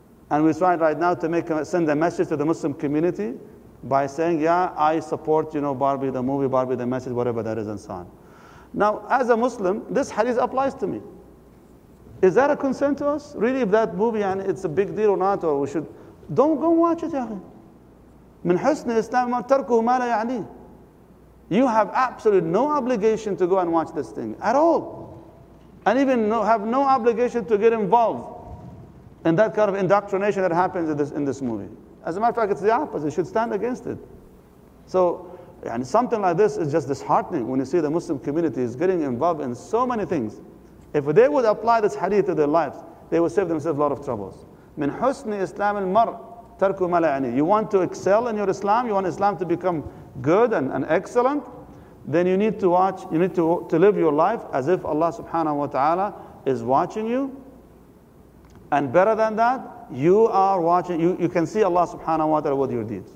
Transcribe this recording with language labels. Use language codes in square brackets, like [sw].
[en] And we're trying right now to send a message to the Muslim community by saying, yeah, I support, you know, Barbie the movie, Barbie the message, whatever that is, and so on. Now, as a Muslim, this hadith applies to me. Is that a concern to us? Really, if that movie and it's a big deal or not, or we should, don't go and watch it, yaqi. [ar] من حسن الإسلام ما تركه ما لا يعني. [en] You have absolutely no obligation to go and watch this thing at all. And even have no obligation to get involved in that kind of indoctrination that happens in this movie. As a matter of fact, it's the opposite. You should stand against it. So, and something like this is just disheartening when you see the Muslim community is getting involved in so many things. If they would apply this hadith to their lives, they would save themselves a lot of troubles. [ar] من حسن إسلام المرء ترك ما لا يعني. [en] You want to excel in your Islam, you want Islam to become good and excellent, then you need to watch, you need to live your life as if Allah subhanahu wa ta'ala is watching you. And better than that, you are watching, you can see Allah subhanahu wa ta'ala with your deeds.